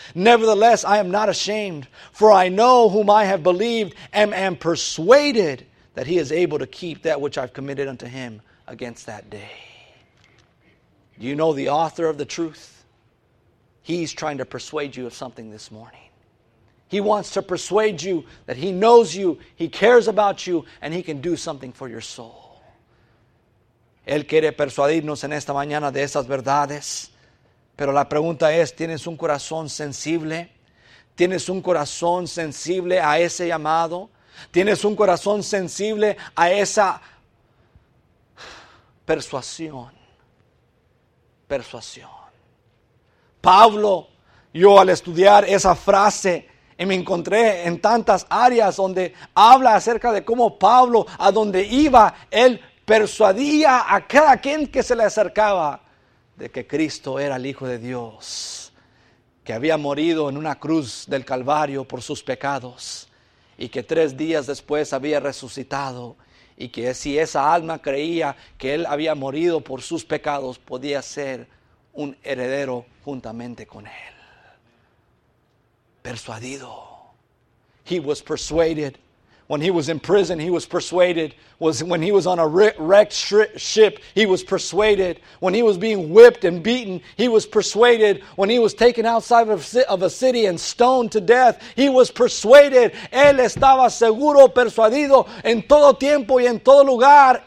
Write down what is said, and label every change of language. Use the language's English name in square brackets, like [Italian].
[English] Nevertheless, I am not ashamed, for I know whom I have believed and am persuaded that he is able to keep that which I've committed unto him against that day. Do you know the author of the truth? He's trying to persuade you of something this morning. He wants to persuade you that he knows you, he cares about you, and he can do something for your soul. [Spanish] Él quiere persuadirnos en esta mañana de esas verdades. Pero la pregunta es, ¿tienes un corazón sensible? ¿Tienes un corazón sensible a ese llamado? ¿Tienes un corazón sensible a esa persuasión? Persuasión. Pablo, yo al estudiar esa frase, y me encontré en tantas áreas donde habla acerca de cómo Pablo, a donde iba, él persuadía a cada quien que se le acercaba de que Cristo era el Hijo de Dios, que había morido en una cruz del Calvario por sus pecados y que 3 días después había resucitado, y que si esa alma creía que él había morido por sus pecados, podía ser un heredero juntamente con él. [English] Persuadido. He was persuaded. When he was in prison, he was persuaded. When he was on a wrecked ship, he was persuaded. When he was being whipped and beaten, he was persuaded. When he was taken outside of a city and stoned to death, he was persuaded. [Spanish] Él estaba seguro, persuadido, en todo tiempo y en todo lugar.